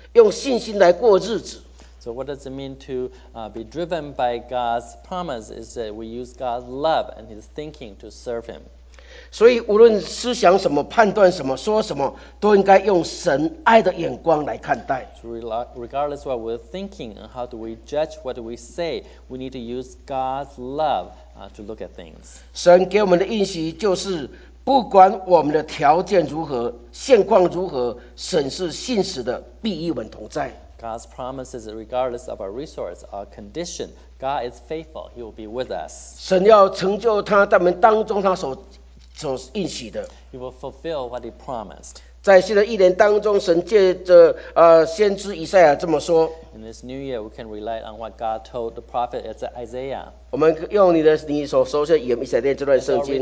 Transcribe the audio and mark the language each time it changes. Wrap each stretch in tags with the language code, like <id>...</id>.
<zh>所以被神的应许带动的意思，就是我们是用神的爱来思想、来服侍，用信心来过日子。</zh> <en>So what does it mean to be driven by God's promise? Is that we use God's love and His thinking to serve Him.</en> <zh>所以无论思想什么、判断什么、说什么，都应该用神爱的眼光来看待。</zh> <en>Regardless of what we're thinking and how do we judge what we say, we need to use God's love to look at things.</en> <zh>神给我们的应许就是，不管我们的条件如何、现况如何，神是信实的，必与我们同在。</zh> <en>God's promise is that regardless of our resource, our condition, God is faithful. He will be with us.</en> <zh>神要成就他在我们当中他所</zh> <en>He will fulfill what he promised.</en> <zh>在新的一年当中，神借着先知以赛亚这么说。</zh> <en>In this new year, we can rely on what God told the prophet Isaiah.</en> <zh>我们用你所说的以赛亚这段圣经。</zh>